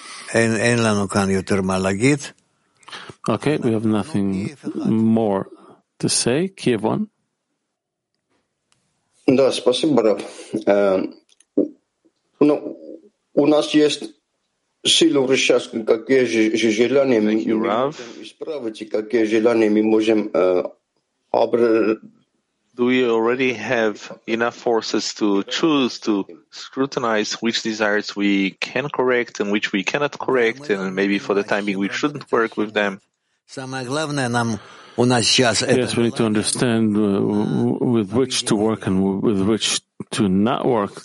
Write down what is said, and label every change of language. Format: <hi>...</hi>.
<he>אין לנו כאן יותר מה להגיד.</he> <en>Okay, we have nothing more to say. Kiev 1.</en> <ru>Да, спасибо, Рав. У нас есть сила решать, какие же желания мы можем исправить, и какие желания мы можем обрабатывать.</ru> <en>Do we already have enough forces to choose, to scrutinize which desires we can correct and which we cannot correct, and maybe for the time being we shouldn't work with them? Yes, we need to understand with which to work and with which to not work.</en>